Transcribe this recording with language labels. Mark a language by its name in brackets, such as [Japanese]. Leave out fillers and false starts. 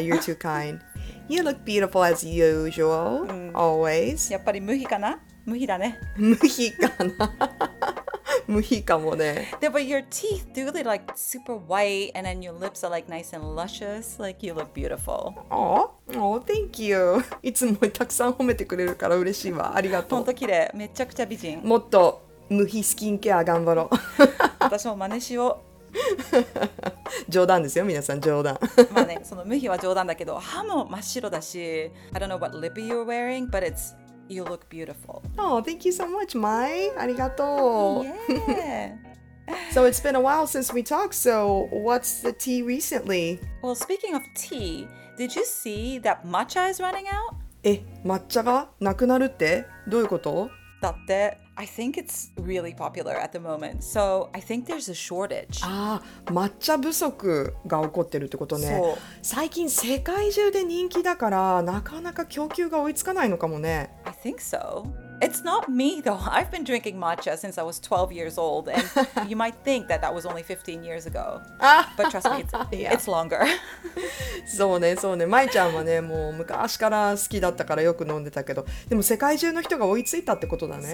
[English] You're too kind. You look beautiful as usual, always. [Japanese] やっぱり無比かな？無比だね。無比かな？無比かもね。 [English] Yeah, but your teeth do look like super white, and then your lips are like nice and luscious. Like you look beautiful. Oh, thank you. [Japanese] いつもたくさん褒めてくれるから嬉しいわ。ありがとう。本当綺麗。めちゃくちゃ美人。もっと無比スキンケア頑張ろう。私も真似しよう。冗談ですよ、皆さん、冗談。まあね、その無比は冗談だけど、歯も真っ白だし、 [English] I don't know what lip you're wearing, but it's, you look beautiful. Oh, thank you so much, Mai. [Japanese] ありがとう。 [English] Yeah. So it's been a while since we talked, so what's the tea recently? Well, speaking of tea, did you see that matcha is running out? [Japanese] え、抹茶がなくなるって？どういうこと？ [English] だって、I think it's really popular at the moment. So I think there's a shortage. [Japanese] ああ、抹茶不足が起こってるってことね。そう。最近世界中で人気だから、なかなか供給が追いつかないのかもね。 [English] I think so. It's not me though. I've been drinking matcha since I was 12 years old. And you might think that that was only 15 years ago. But trust me, it's longer. [Japanese] そうね、そうね。まいちゃんはね、もう昔から好きだったからよく飲んでたけど、でも世界中の人が追いついたってことだね。